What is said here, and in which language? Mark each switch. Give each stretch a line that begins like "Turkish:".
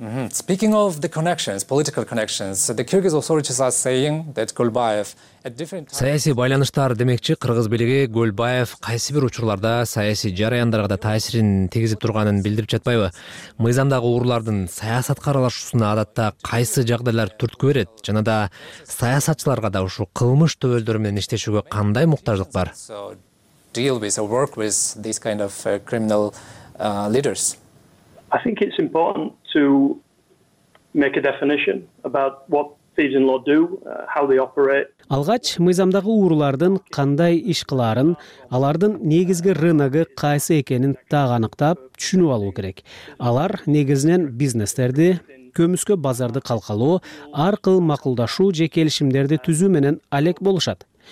English: Speaking of the connections, political connections, the Kyrgyz authorities are saying that Gulbayev at different times.
Kyrgyz: Саясий байланыштар демекчи, кыргыз бийлиги Гөлбаев кайсы бир учурларда саясий жараяндарга да таасирин тийгизип турганын билдирип жатпайбы? Мыйзамдагы уурулардын саясатка аралашуусуна адатта кайсы жагдайлар түрткү берет жана да саясатчыларга да ушул кылмыш төбөлдөр менен иштешүүгө кандай муктаждык бар?
English: Deal with or work with these kind of criminal leaders. I think it's important to make a definition about what thieves in law do, how they operate.
Kyrgyz: Алгач мыйзамдагы уурулардын кандай иш кыларын, алардын негизги рыногу кайсы экенин так аныктап түшүнүп алуу керек. Алар негизинен бизнестерди, көмүскө базарды калкалоо, ар кыл макулдашуу же келишимдерди түзүү менен алек болушат.